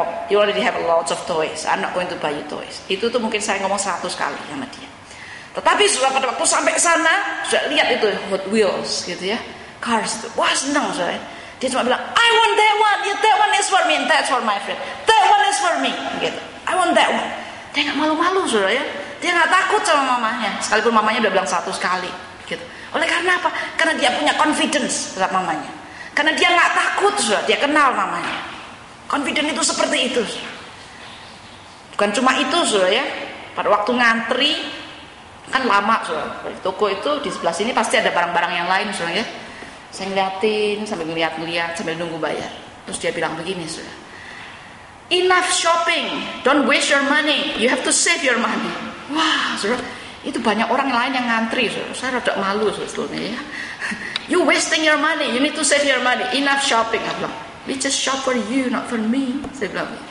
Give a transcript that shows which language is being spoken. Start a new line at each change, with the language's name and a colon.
English: You already have a lot of toys. I'm not going to buy you toys.
Indonesian: Itu tuh mungkin saya ngomong 100 kali sama dia. Tetapi sudah pada waktu sampai sana, sudah lihat itu Hot Wheels gitu ya, cars itu. Wah, senang saya. Dia cuma bilang,
English: "I want that one. Yeah, that one is for me. And that's for my friend. That one is for me."
Indonesian: Gitu.
English: "I want that one."
Indonesian: Dia enggak malu-malu sudah ya. Dia enggak takut sama mamanya. Sekalipun mamanya udah bilang 100 kali gitu. Oleh karena apa? Karena dia punya confidence terhadap mamanya. Karena dia gak takut Saudara, dia kenal mamanya. Confident itu seperti itu Saudara. Bukan cuma itu Saudara ya, pada waktu ngantri kan lama Saudara. Di toko itu di sebelah sini pasti ada barang-barang yang lain Saudara ya. Saya ngeliatin sambil ngeliat-ngeliat sambil nunggu bayar. Terus dia bilang begini Saudara,
English: "Enough shopping, don't waste your money, you have to save your money."
Indonesian: Wah Saudara, itu banyak orang lain yang ngantri Saudara. Saya rada malu sebetulnya ya.
English: "You wasting your money. You need to save your money. Enough shopping," I bilang. "We just shop for you, not for me,"
Indonesian: saya bilang.